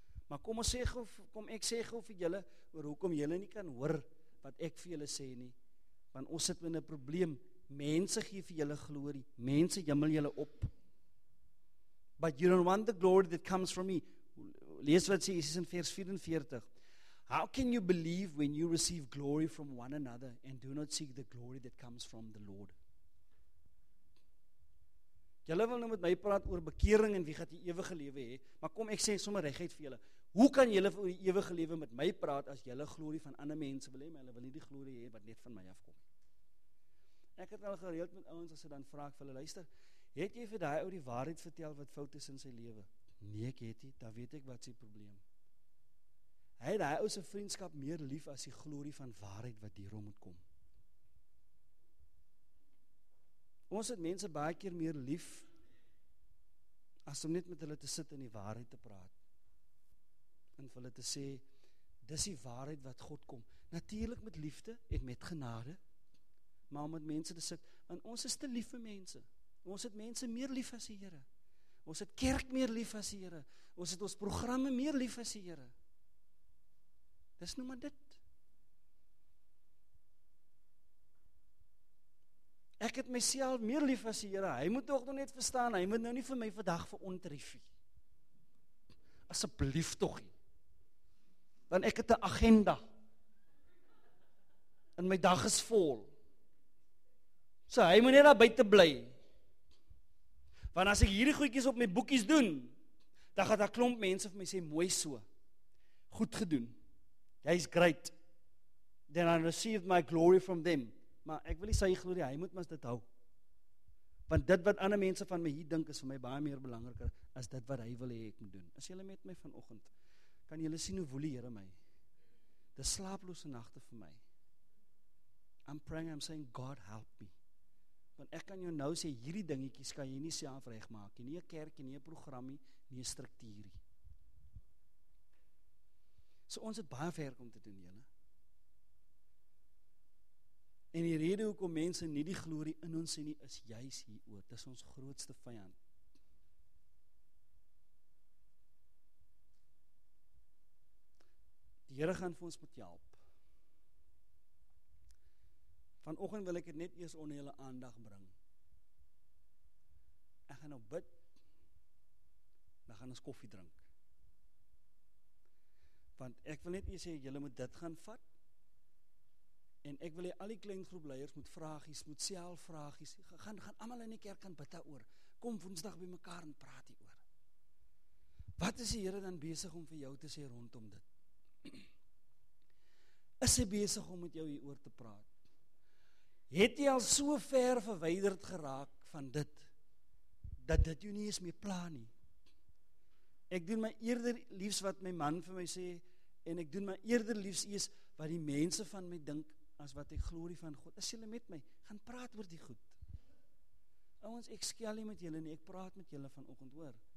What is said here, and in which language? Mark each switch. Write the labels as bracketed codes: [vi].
[af] Maar kom, ons sê gauw, kom ek sê gauw vir jylle, oor hoekom jylle nie kan hoor wat ek vir jylle sê nie. Want ons sit met 'n probleem. Mense gee vir jylle glorie. Mense jimmel jylle op. [en] But you don't want the glory that comes from me. [af] Lees wat sê Jesus in vers 44. [en] How can you believe when you receive glory from one another and do not seek the glory that comes from the Lord? [af] Julle wil nou met my praat oor bekering en wie gaat die ewige lewe hê, maar kom, ek sê sommer regheid vir julle. Hoe kan julle oor die ewige lewe met my praat as julle glorie van ander mense wil hê, maar hulle wil nie die glorie hê wat net van my afkom? Ek het al gereeld met ouens as hulle dan vraag vir hulle, luister, het jy vir die ou die waarheid vertel wat fout is in sy lewe? Nee, ek het nie, dan weet ek wat sy probleem. Hy het die ou sy vriendskap meer lief as die glorie van waarheid wat hierom moet kom. Ons het mense baie keer meer lief as om net met hulle te sit en die waarheid te praat. En vir hulle te sê, dis die waarheid wat God kom. Natuurlijk met liefde en met genade, maar om met mense te sit, want ons is te lief vir mense. Ons het mense meer lief as die Here. Ons het kerk meer lief as die Here. Ons het ons programme meer lief as die Here. Dis nou maar dit. Ek het myself meer lief as die Here. Hy moet tog nog net verstaan, hy moet nou nie vir my vandag verontrief nie. Asseblief tog nie. Want ek het 'n agenda. En my dag is vol. So hy moet net daar buite bly. Want as ek hierdie goedjies op my boekies doen, dan gaat daar klomp mense vir my sê, mooi so, goed gedoen, jy is great, [en] then I received my glory from them. [af] Maar ek wil nie sy glorie, hy moet mys dit hou. Want dit wat ander mense van my hier dink, is vir my baie meer belangriker, as dit wat hy wil hê ek moet doen. As jylle met my vanochtend, kan jylle sien hoe woel die Here my. Dit is slaaplose nachte vir my. [en] I'm praying, I'm saying, God help me. [af] Want ek kan jou nou sê, hierdie dingetjies kan jy nie self reg maak, nie een kerkie, nie een programmie, nie een structuurie. So ons het baie werk om te doen, jylle. En die rede hoekom mense nie die glorie in ons sien nie, is juist hier oor. Dis ons grootste vijand. Die Here gaan vir ons moet help. Vanoggend wil ek het net eers onder julle aandag bring. Ek gaan nou bid, dan gaan ons koffie drink. Want ek wil net eers sê, julle moet dit gaan vat, en ek wil hê al die klein groep leiers moet vragies, moet self vragies, gaan allemaal in die kerk gaan bid daaroor, kom woensdag by mekaar en praat hier oor. Wat is die Here dan besig om vir jou te sê rondom dit? Is hy besig om met jou hier oor te praat? Het jy al so ver verwijderd geraak van dit, dat dit jy nie eens meer plan nie? Ek doen my eerder liefst wat my man vir my sê, en ek doen my eerder liefst eers wat die mense van my dink, as wat die glorie van God, as julle met my, gaan praat oor die goed. Ouens, ek skel nie met julle nie, ek praat met julle vanoggend hoor.